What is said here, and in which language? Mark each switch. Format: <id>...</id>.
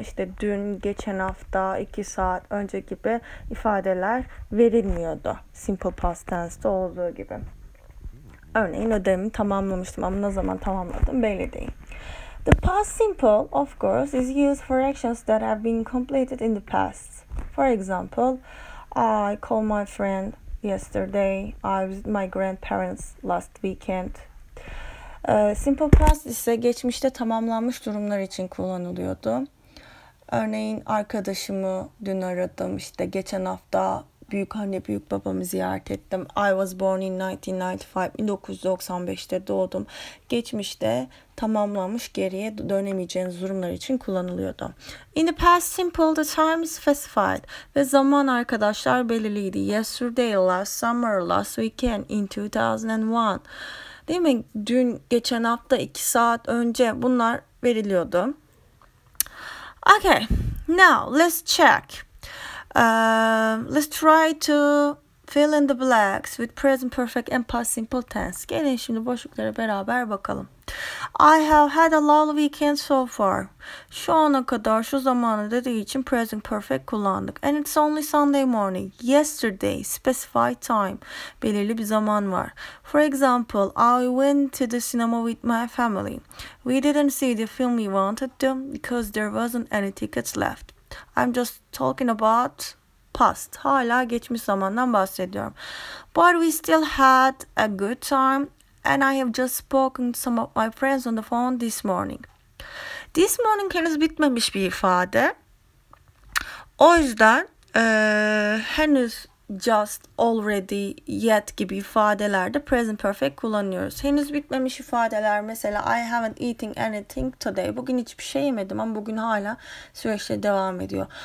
<tr>İşte dün, geçen hafta, iki saat önce gibi ifadeler verilmiyordu. Simple past tense'de olduğu gibi. Örneğin ödevimi tamamlamıştım ama ne zaman tamamladım belli değil.</tr> <en>The past simple, of course, is used for actions that have been completed in the past. For example, I called my friend yesterday, I visited my grandparents last weekend.</en> <tr>Simple past ise geçmişte tamamlanmış durumlar için kullanılıyordu. Örneğin arkadaşımı dün aradım, işte geçen hafta büyük anne büyük babamı ziyaret ettim.</tr> <en>I was born in 1995.</en> <tr>1995'te doğdum. Geçmişte tamamlanmış geriye dönemeyeceğiniz durumlar için kullanılıyordu.</tr> <en>In the past simple the time is specified.</en> <tr>Ve zaman arkadaşlar belirliydi.</tr> <en>Yesterday, last summer, last weekend in 2001.</en> <tr>Değil mi? Dün, geçen hafta, iki saat önce bunlar veriliyordu.</tr> <en>Okay. Now let's check. Let's try to fill in the blanks with present perfect and past simple tense.</en> <tr>Gelin şimdi boşluklara beraber bakalım.</tr> <en>I have had a lovely weekend so far.</en> <tr>Şu ana kadar şu zamanı dediği için present perfect kullandık.</tr> <en>And it's only Sunday morning. Yesterday, specified time.</en> <tr>Belirli bir zaman var.</tr> <en>For example, I went to the cinema with my family. We didn't see the film we wanted to because there wasn't any tickets left. I'm just talking about past.</en> <tr>Hala geçmiş zamandan bahsediyorum.</tr> <en>But we still had a good time and I have just spoken to some of my friends on the phone this morning. This morning</en> <tr>henüz bitmemiş bir ifade. O yüzden henüz just, already, yet gibi ifadelerde present perfect kullanıyoruz. Henüz bitmemiş ifadeler mesela</tr> <en>I haven't eaten anything today.</en> <tr>Bugün hiçbir şey yemedim ama bugün hala süreçte devam ediyor.</tr>